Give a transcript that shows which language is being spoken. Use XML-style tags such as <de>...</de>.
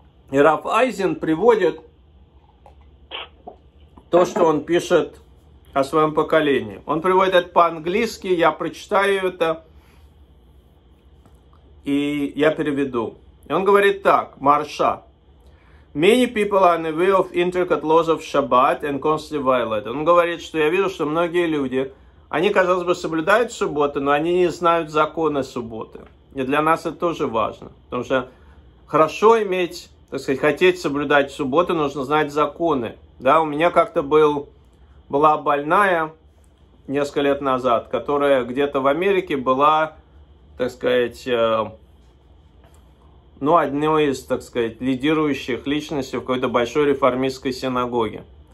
<ru>И Раф Айзен приводит то, что он пишет о своем поколении. Он приводит это по-английски, я прочитаю это, и я переведу. И он говорит так, Марша.</ru> <en>Many people are aware of intricate laws of Shabbat and constantly violate.</en> <ru>Он говорит, что я вижу, что многие люди, они, казалось бы, соблюдают субботы, но они не знают законы субботы. И для нас это тоже важно. Потому что хорошо иметь, так сказать, хотеть соблюдать субботу, нужно знать законы. Да, у меня как-то была больная несколько лет назад, которая где-то в Америке была, так сказать, ну, одной из, так сказать, лидирующих личностей в какой-то большой реформистской синагоге.</ru>